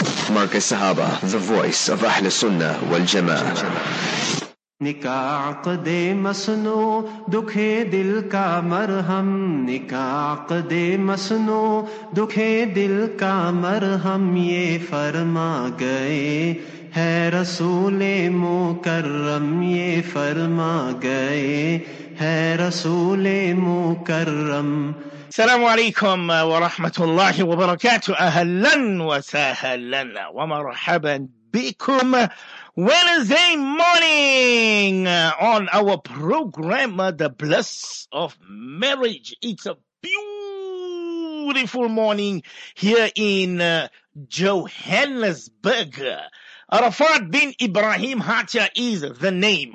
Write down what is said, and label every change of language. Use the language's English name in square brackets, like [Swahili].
[English] مارك السهابة The Voice of أهل السنة والجماعة [Urdu] نکاح عقد مسنو دکھے دل کا مرہم نکاح عقد مسنو دکھے دل کا مرہم یہ فرما گئے ہے رسول مکرم یہ فرما گئے ہے رسول مکرم. [Arabic] السلام عليكم ورحمة الله وبركاته, أهلا وسهلا ومرحبا بكم. [English] Wednesday morning on our program, The Bliss of Marriage. It's a beautiful morning here in Johannesburg. Arafat bin Ibrahim Hatia is the name.